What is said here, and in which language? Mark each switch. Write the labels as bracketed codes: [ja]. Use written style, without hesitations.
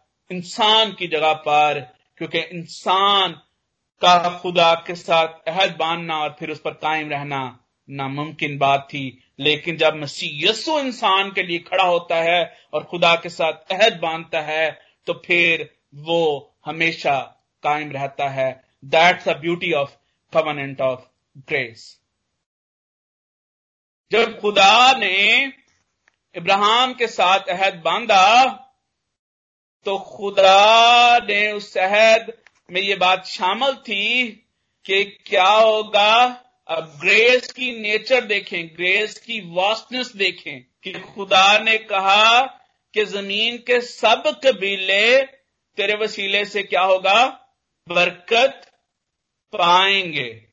[ur] انسان کی جگہ پر, کیونکہ انسان کا خدا کے ساتھ عہد باندھنا اور پھر اس پر قائم رہنا ناممکن بات تھی, لیکن جب مسیح یسوع انسان کے لیے کھڑا ہوتا ہے اور خدا کے ساتھ عہد باندھتا ہے تو پھر وہ ہمیشہ قائم رہتا ہے. [en] That's the beauty of covenant of grace. [ur] جب خدا نے ابراہام کے ساتھ عہد باندھا تو خدا نے اس عہد میں یہ بات شامل تھی کہ کیا ہوگا. اب گریس کی نیچر دیکھیں, گریس کی واسٹنس دیکھیں, کہ خدا نے کہا کہ زمین کے سب قبیلے تیرے وسیلے سے کیا ہوگا, برکت پائیں گے.